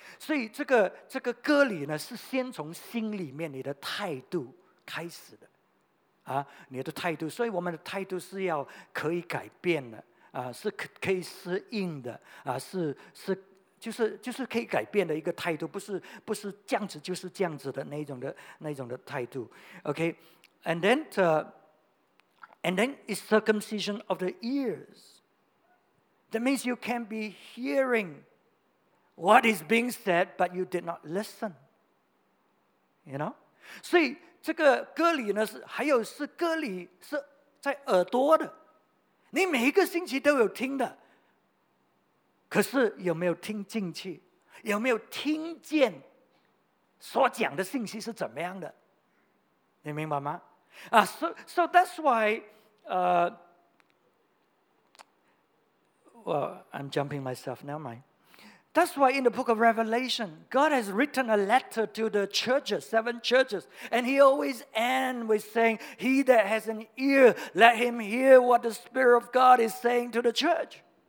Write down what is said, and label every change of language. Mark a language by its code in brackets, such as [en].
[zh] 所以这个割礼呢，是先从心里面你的态度开始的。啊，你的态度，所以我们的态度是要可以改变的啊，是可以适应的啊，就是可以改变的一个态度，不是这样子就是这样子的那种的态度。 [en] OK, and then it's circumcision of the ears. That means you can be hearing what is being said, but you did not listen. You know, [zh] 所以这个割礼呢，是还有是割礼是在耳朵的，你每一个星期都有听的。可是有没有听进去？有没有听见所讲的信息是怎么样的？你明白吗？ [en] 啊、so that's why, well, I'm jumping myself. Never mind. That's why in the book of Revelation, God has written a letter to the churches, seven churches, and He always ends with saying, "He that has an ear, let him hear what the Spirit of God is saying to the church."